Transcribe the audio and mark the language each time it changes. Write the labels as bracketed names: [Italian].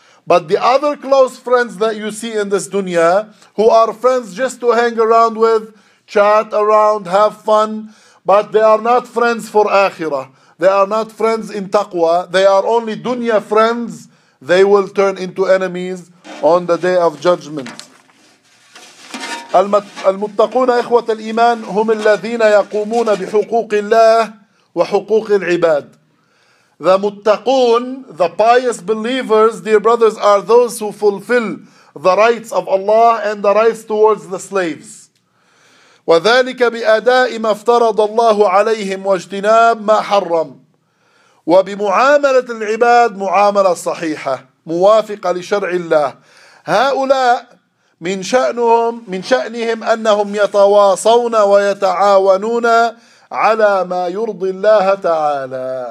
[English] But the other close friends that you see in this dunya, who are friends just to hang around with, chat around, have fun, but they are not friends for akhirah. They are not friends in taqwa. They are only dunya friends. They will turn into enemies on the day of judgment. [Arabic] المتقون إخوة الإيمان هم الذين يقومون بحقوق الله وحقوق العباد. [English] The muttaqun, the pious believers, dear brothers, are those who fulfill the rights of Allah and the rights towards the slaves. [Arabic] وذلك بأداء ما افترض الله عليهم واجتناب ما حرم وبمعاملة العباد معاملة صحيحة موافقة لشرع الله. هؤلاء من شأنهم أنهم يتواصون ويتعاونون على ما يرضي الله تعالى.